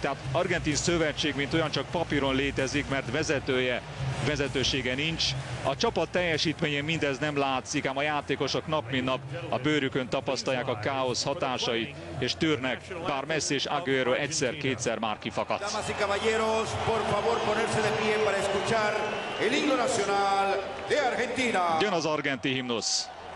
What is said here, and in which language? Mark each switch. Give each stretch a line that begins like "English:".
Hungarian: Tehát argentin szövetség, mint olyan, csak papíron létezik, mert vezetője, vezetősége nincs. A csapat teljesítményén mindez nem látszik, ám a játékosok nap mint nap a bőrükön tapasztalják a káosz hatásait, és tűrnek, bár Messi és Agüero egyszer-kétszer már kifakadt.
Spanish: Damas y caballeros, por favor ponerse de pie para escuchar el himno nacional de Argentina.
Hungarian: Jön az argentin himnusz.